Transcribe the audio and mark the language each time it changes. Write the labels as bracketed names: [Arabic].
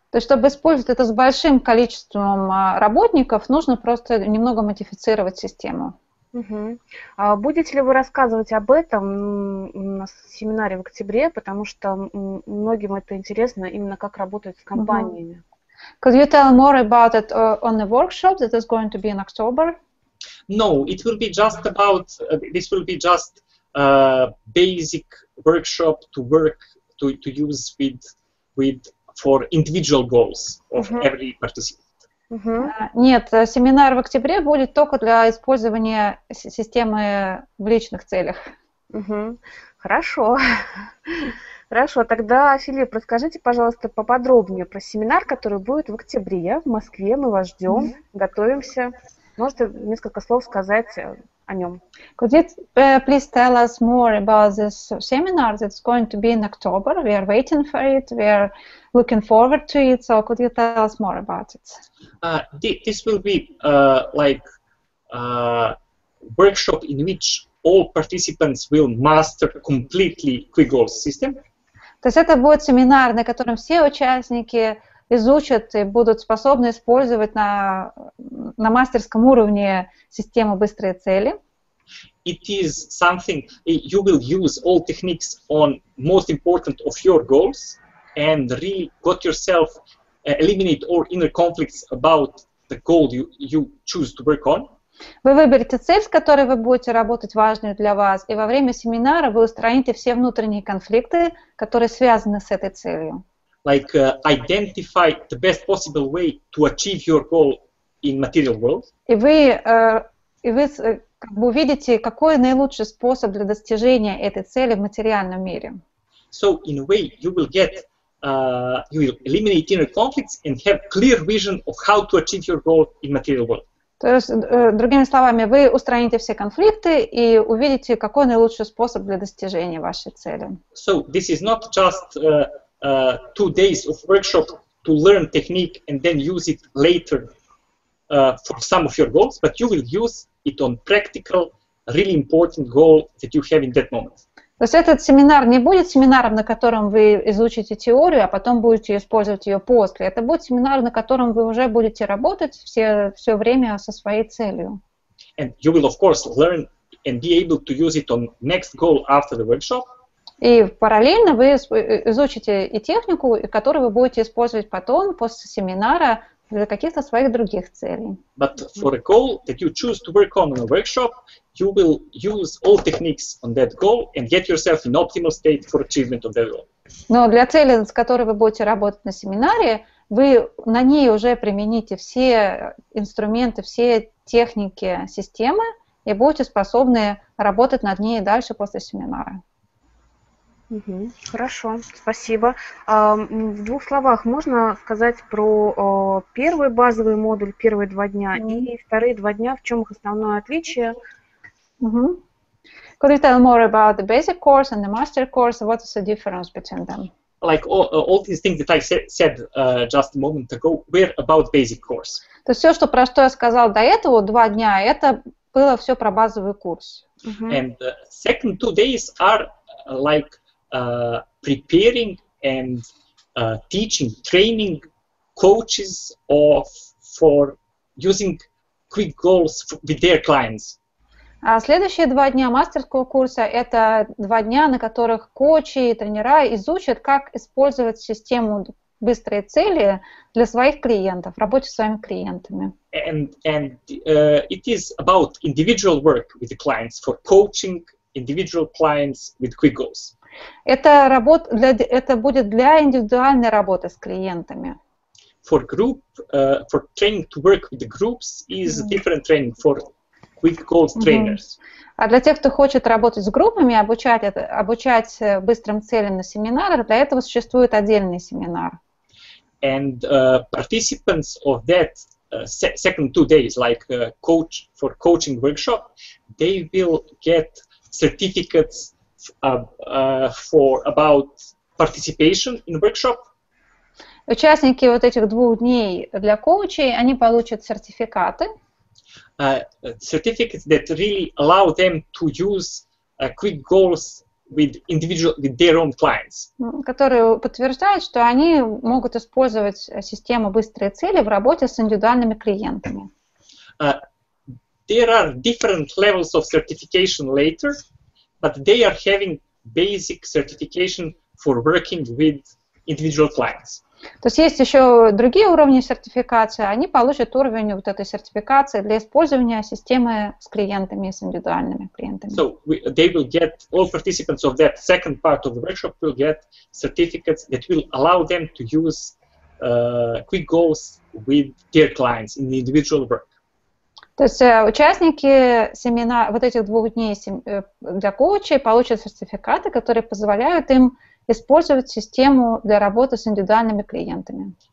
[Russian] То есть, чтобы использовать это с большим количеством работников, нужно просто немного модифицировать систему. Uh-huh. А будете ли вы рассказывать об этом на семинаре в октябре, потому что многим это интересно, именно как работать с компаниями? Uh-huh. [English] Could you tell more about it on the workshop that is going to be in October? No, it will be just about, this will be just a basic workshop to work, to use with for individual goals of uh-huh. every participant. Uh-huh. [Russian] Нет, семинар в октябре будет только для использования системы в личных целях. Uh-huh. Хорошо. Хорошо, тогда, Филипп, расскажите, пожалуйста, поподробнее про семинар, который будет в октябре в Москве. Мы вас ждем, uh-huh. готовимся. Можете несколько слов сказать о нем? [English] Could you please tell us more about this seminar that's going to be in October? We are waiting for it, we are looking forward to it, so could you tell us more about it? This will be like workshop in which all participants will master completely quick goals system. [Russian] То есть это будет семинар, на котором все участники изучат и будут способны использовать на мастерском уровне систему быстрые цели. [English] It is something you will use all techniques on most important of your goals and really got yourself eliminate all inner conflicts about the goal you choose to work on. [Russian] Вы выберете цель, с которой вы будете работать важной для вас, и во время семинара вы устраните все внутренние конфликты, которые связаны с этой целью. [English] Like identify the best possible way to achieve your goal in material world. [Russian] И вы как бы увидите, какой наилучший способ для достижения этой цели в материальном мире. [English] So in a way you will get you will eliminate inner conflicts and have clear vision of how to achieve your goal in material world. [Russian] То есть, другими словами, вы устраните все конфликты и увидите, какой наилучший способ для достижения вашей цели. [English] So this is not just two days of workshop to learn technique and then use it later for some of your goals, but you will use it on practical, really important goal that you have in that moment. [Russian] То есть этот семинар не будет семинаром, на котором вы изучите теорию, а потом будете использовать ее после. Это будет семинар, на котором вы уже будете работать все время со своей целью. [English] And you will, of course, learn and be able to use it on next goal after the workshop. [Russian] И параллельно вы изучите и технику, которую вы будете использовать потом, после семинара, для каких-то своих других целей. [English] But for a goal that you choose to work on a workshop, you will use all techniques on that goal and get yourself in optimal state for achievement of that goal. [Russian] Но для цели, с которой вы будете работать на семинаре, вы на ней уже примените все инструменты, все техники системы и будете способны работать над ней дальше после семинара. Угу, хорошо, спасибо. В двух словах можно сказать про первый базовый модуль, первые два дня, mm-hmm. и вторые два дня, в чем их основное отличие? Mm-hmm. [English] Could you tell more about the basic course and the master course? What is the difference between them? like all these things that I said just a moment ago were about basic course. [Russian] То есть все, что про что я сказал до этого, два дня, это было все про базовый курс. Uh-huh. [English] And the second 2 days are like preparing and teaching, training coaches of for using quick goals with their clients. [Russian] А следующие два дня мастерского курса – это два дня, на которых коучи и тренера изучат, как использовать систему «Быстрые цели» для своих клиентов, в работе с своими клиентами. [English] And it is about individual work with the clients, for coaching individual clients with quick goals. [Russian] Это будет для индивидуальной работы с клиентами. [English] For group, for training to work with the groups is different training for quick goals trainers. [Russian] А для тех, кто хочет работать с группами, обучать быстрым целям на семинарах, для этого существует отдельный семинар. [English] And participants of that second 2 days, like coach for coaching workshop, they will get certificates for about participation in workshop. [Russian] Участники вот этих двух дней для коучей, они получат сертификаты. [English] Certificates that really allow them to use quick goals with individual, with their own clients. [Russian] Которые подтверждают, что они могут использовать систему «Быстрые цели» в работе с индивидуальными клиентами. [English] There are different levels of certification later, but they are having basic certification for working with individual clients. [Russian] То есть есть еще другие уровни сертификации, они получат уровень вот этой сертификации для использования системы с клиентами, с индивидуальными клиентами. [English] So they will get, all participants of that second part of the workshop will get certificates that will allow them to use quick goals with their clients in the individual work. [Russian] То есть участники семинара, вот этих двух дней для коучей получат сертификаты, которые позволяют им использовать систему для работы с индивидуальными клиентами.